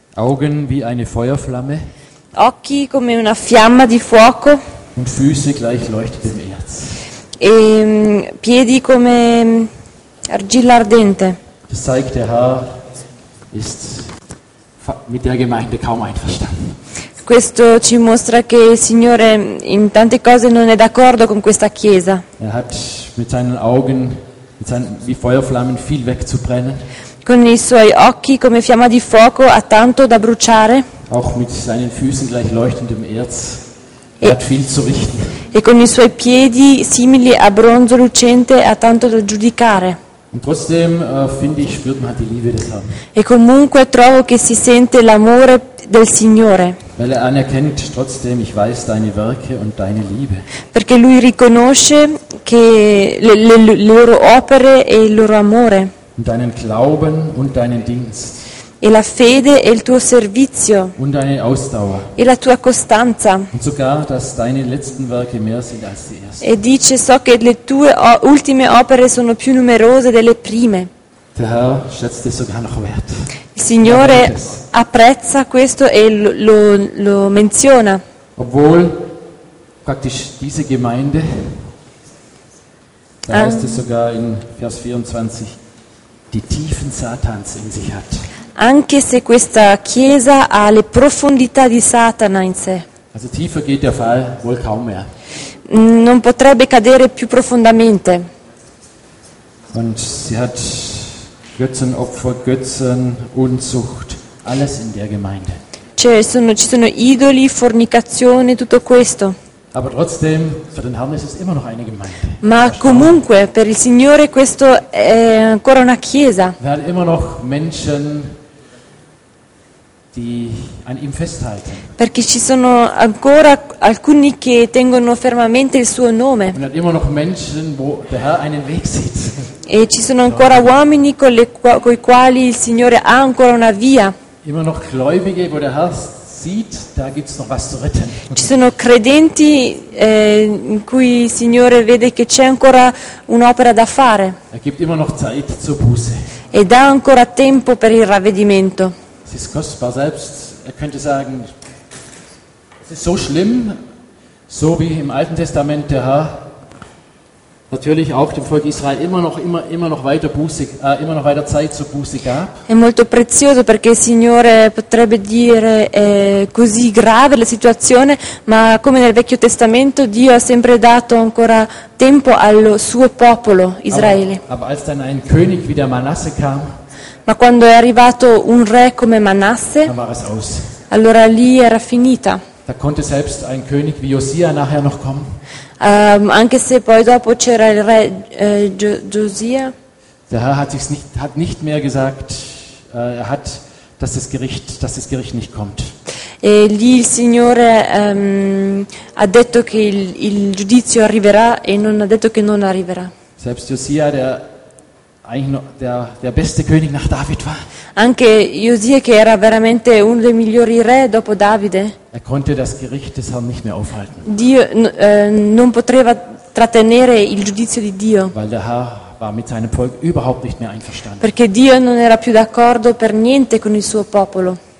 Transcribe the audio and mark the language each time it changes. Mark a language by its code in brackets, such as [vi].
[de] Augen wie eine Feuerflamme. [it] Occhi come una fiamma di fuoco. [de] Und Füße gleich leuchtendem Erz. [it] E piedi come argilla ardente. [de] Das zeigt, der Herr ist mit der Gemeinde kaum einverstanden. [it] Questo ci mostra che il Signore in tante cose non è d'accordo con questa chiesa. [de] Er hat mit seinen Augen, wie Feuerflammen, viel wegzubrennen. [it] Con i suoi occhi come fiamma di fuoco ha tanto da bruciare. [de] Auch mit seinen Füßen gleich leuchtendem Erz. Er hat viel zu richten. [it] E con i suoi piedi simili a bronzo lucente ha tanto da giudicare. [de] Und trotzdem finde ich, spürt man die Liebe des Herrn. [it] E comunque trovo che si sente l'amore del Signore. [de] Weil er anerkennt trotzdem, ich weiß deine Werke und deine Liebe. [it] Perché lui riconosce che le loro opere e il loro amore. [de] Und deinen Glauben und deinen Dienst. [it] E la fede e il tuo servizio. [de] Und deine Ausdauer. [it] E la tua costanza. [de] Und sogar, dass deine letzten Werke mehr sind als die ersten. [it] E dice, so che le tue ultime opere sono più numerose delle prime. [de] Der Herr schätzt es sogar noch wert. [it] Il Signore apprezza questo e lo menziona. [de] Obwohl praktisch diese Gemeinde, da heißt es sogar in Vers 24, die Tiefen Satans in sich hat. [it] Anche se questa chiesa ha le profondità di Satana in sé. [de] Also tiefer geht der Fall wohl kaum mehr. [it] Non potrebbe cadere più profondamente. [de] Und sie hat Götzenopfer, Götzen, Unzucht, alles in der Gemeinde. [it] Cioè, ci sono idoli, fornicazione, tutto questo. [de] Aber trotzdem, für den Herrn ist es immer noch eine Gemeinde. [it] Ma comunque, per il Signore questo è ancora una chiesa. [de] Wir haben immer noch Menschen, die an ihm festhalten. [it] Perché ci sono ancora alcuni che tengono fermamente il suo nome. [de] Und hat immer noch Menschen, wo der Herr einen Weg sieht. [it] E ci sono ancora uomini con i quali il Signore ha ancora una via. [de] Immer noch Gläubige, wo der Herr sieht, da gibt's noch was zu retten. [it] Ci sono credenti in cui il Signore vede che c'è ancora un'opera da fare. [de] Er gibt immer noch Zeit zur Buße. [it] E dà ancora tempo per il ravvedimento. [de] Es ist kostbar, selbst, er könnte sagen, Es ist so schlimm, so wie im Alten Testament der Herr natürlich auch dem Volk Israel immer noch weiter Zeit zur Buße gab. [it] È molto prezioso perché il Signore potrebbe dire è così grave la situazione, ma come nel Vecchio Testamento Dio ha sempre dato ancora tempo al suo popolo Israele. [de] Aber als dann ein König wie der Manasse kam, [it] ma quando è arrivato un re come Manasse, allora lì era finita. [de] Da konnte selbst ein König wie Josia nachher noch kommen. [it] Anche se poi dopo c'era il re Josia. [de] Der Herr hat sich's nicht, hat nicht mehr gesagt, er hat, dass das Gericht nicht kommt. [it] E lì il Signore ha detto che il giudizio arriverà e non ha detto che non arriverà. [de] Selbst Josia, der beste König nach David war. [it] Anche Josia, che era veramente uno dei migliori re dopo Davide. [de] Er konnte das Gericht des Herrn nicht mehr aufhalten. [it] Dio non poteva trattenere il giudizio di Dio. [de] Weil der Herr war mit seinem Volk überhaupt nicht mehr einverstanden. [it] Perché Dio non era più d'accordo per niente con il suo popolo.